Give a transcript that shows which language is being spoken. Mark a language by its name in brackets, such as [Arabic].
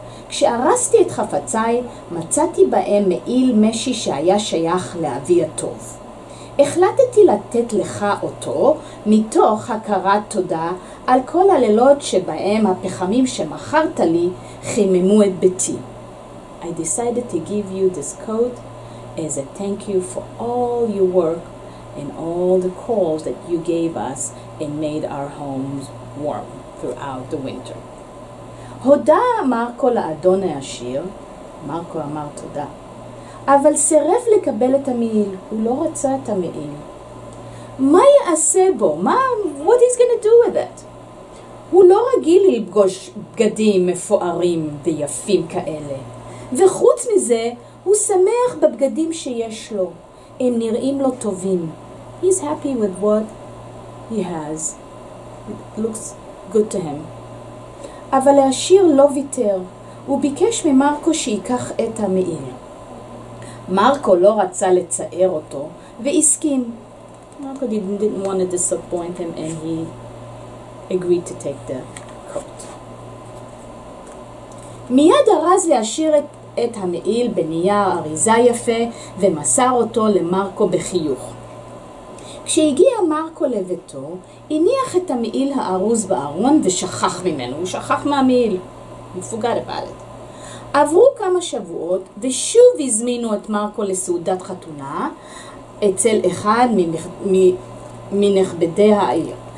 [Hebrew] כשארסתי את חפציי, מצאתי בהם מעיל משי שהיה שייך לאבי הטוב. החלטתי לתת לך אותו מתוך הכרת תודה על כל הלילות שבהם הפחמים שמכרת לי חיממו את ביתי. [English] I decided to give you this coat as a thank you for all your work and all the calls that you gave us and made our homes warm throughout the winter. [Hebrew] הודה מרקו לאדון העשיר. מרקו אמר תודה, אבל סירב לקבל את המעיל. הוא לא רצה את המעיל. מה יעשה בו? [English] What is going to do with it? [Hebrew] הוא לא רגיל ללבגוש בגדים מפוארים ויפים כאלה. וחוץ מזה, הוא שמח בבגדים שיש לו. הם נראים לו טובים. [English] He's happy with what he has. It looks good to him. [Hebrew] אבל העשיר לא ויתר. הוא ביקש ממרקו שיקח את המעיל. מרקו לא רצה לצער אותו, והסכים. [English] מרקו didn't want to disappoint him, and he agreed to take the coat. [Hebrew] מיד ארז להשאיר את המעיל בנייר אריזה יפה, ומסר אותו למרקו בחיוך. כשהגיע מרקו לביתו, הניח את המעיל הארוז בארון ושכח ממנו. הוא שכח מהמעיל. מפוגר לבעלת. עברו כמה שבועות ושוב הזמינו את מרקו לסעודת חתונה אצל אחד מנכבדי העיר.